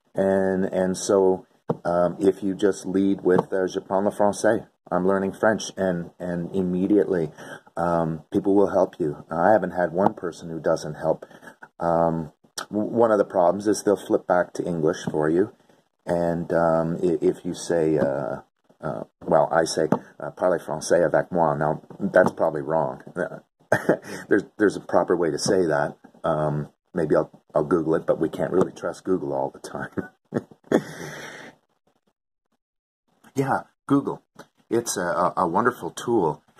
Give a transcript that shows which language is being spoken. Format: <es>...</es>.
<en>And so if you just lead with</en> <fr>je prends le français.</fr> <en>I'm learning French, and immediately people will help you. I haven't had one person who doesn't help. One of the problems is they'll flip back to English for you. And if you say,</en> <fr>parlez français avec moi.</fr> <en>Now, that's probably wrong. There's a proper way to say that. Maybe I'll Google it, but we can't really trust Google all the time. Yeah, Google. It's a wonderful tool.</en>